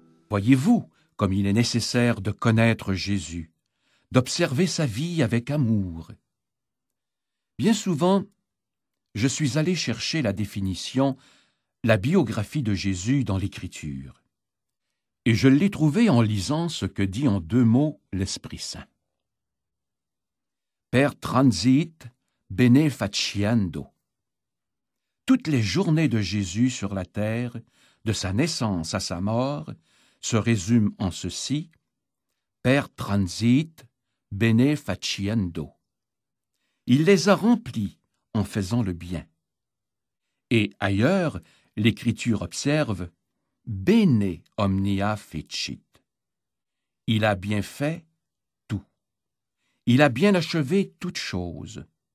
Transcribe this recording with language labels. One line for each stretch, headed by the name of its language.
French: Voyez-vous comme il est nécessaire de connaître Jésus, d'observer sa vie avec amour. Bien souvent, je suis allé chercher la définition, la biographie de Jésus dans l'Écriture. Et je l'ai trouvé en lisant ce que dit en deux mots l'Esprit-Saint.
Latin: Per transit bene faciendo.
French: Toutes les journées de Jésus sur la terre, de sa naissance à sa mort, se résument en ceci.
Latin: Per transit bene faciendo.
French: Il les a remplis en faisant le bien. Et ailleurs, l'Écriture observe «
Latin: Bene omnia fecit ».
French: Il a bien fait tout. Il a bien achevé toute chose.